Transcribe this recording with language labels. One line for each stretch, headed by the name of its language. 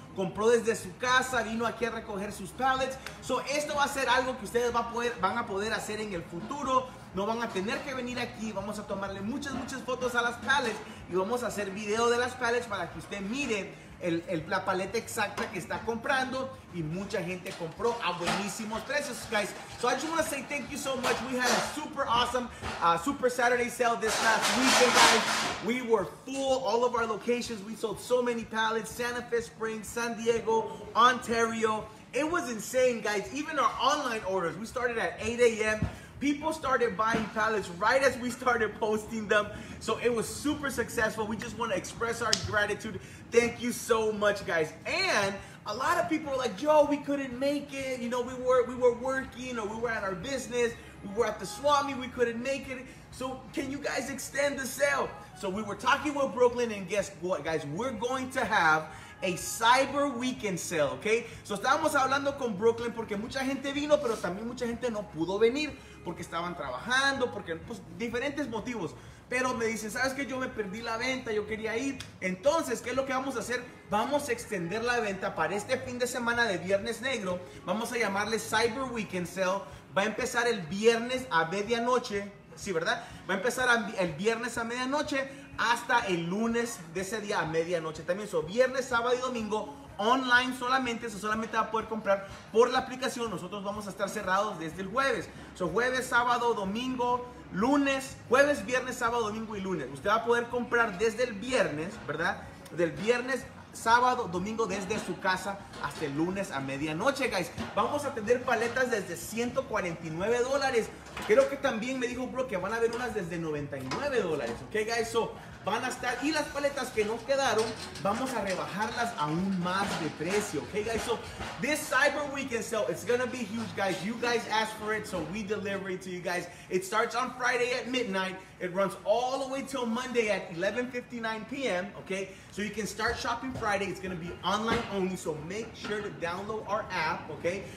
Spanish: Compró desde su casa, vino aquí a recoger sus pallets. So, esto va a ser algo que ustedes van a poder hacer en el futuro. No van a tener que venir aquí. Vamos a tomarle muchas, muchas fotos a las pallets. Y vamos a hacer video de las pallets para que usted mire la paleta exacta que está comprando. Y mucha gente compró a buenísimos precios, guys.
English: So I just want to say thank you so much. We had a super awesome Super Saturday sale this last weekend, guys. We were full, all of our locations. We sold so many pallets. Santa Fe Springs, San Diego, Ontario. It was insane, guys. Even our online orders. We started at 8 a.m. People started buying pallets right as we started posting them. So it was super successful. We just want to express our gratitude. Thank you so much, guys. And a lot of people were like, yo, we couldn't make it. You know, we were working, or we were at our business. We were at the Swami. We couldn't make it. So can you guys extend the sale? So we were talking with Brooklyn, and guess what, guys? We're going to have a Cyber Weekend sale, okay?
Spanish: So estábamos hablando con Brooklyn porque mucha gente vino, pero también mucha gente no pudo venir porque estaban trabajando, porque pues diferentes motivos. Pero me dicen, ¿sabes qué? Yo me perdí la venta, yo quería ir. Entonces, ¿qué es lo que vamos a hacer? Vamos a extender la venta para este fin de semana de Viernes Negro. Vamos a llamarle Cyber Weekend Sale. Va a empezar el viernes a medianoche. Sí, ¿verdad? Va a empezar el viernes a medianoche hasta el lunes de ese día a medianoche también. So, viernes, sábado y domingo, online solamente. Eso solamente va a poder comprar por la aplicación. Nosotros vamos a estar cerrados desde el jueves. So, jueves, sábado, domingo, lunes, jueves, viernes, sábado, domingo y lunes. Usted va a poder comprar desde el viernes, ¿verdad? Del viernes, sábado, domingo, desde su casa hasta el lunes a medianoche, guys. Vamos a tener paletas desde $149. Creo que también me dijo bro que van a haber unas desde $99, ¿ok, guys? So, van a estar, y las paletas que nos quedaron, vamos a rebajarlas aún más de precio, ¿ok, guys?
English: So, this Cyber Weekend sale, it's gonna be huge, guys. You guys asked for it, so we deliver it to you guys. It starts on Friday at midnight. It runs all the way till Monday at 11:59 p.m., ¿ok? So, you can start shopping Friday. It's gonna be online only, so make sure to download our app, ¿ok?